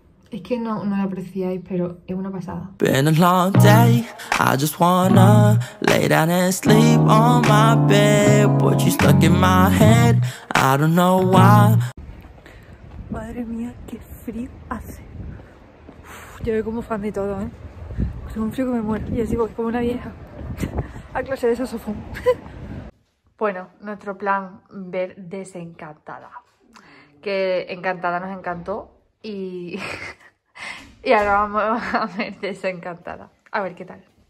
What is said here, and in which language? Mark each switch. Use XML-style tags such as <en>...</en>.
<es>Es que no lo apreciáis, pero es una pasada.</es> <en>Been a long day, I just wanna lay down and sleep on my bed, but you stuck in my head, I don't know why.</en> <es>Madre mía, qué frío hace. Uf, yo veo como fan de todo, ¿eh? Pues es un frío que me muero. Y así voy como una vieja a clase de saxofón. Bueno, nuestro plan ver Desencantada. Que Encantada nos encantó y ahora vamos a ver Desencantada. A ver qué tal.</es>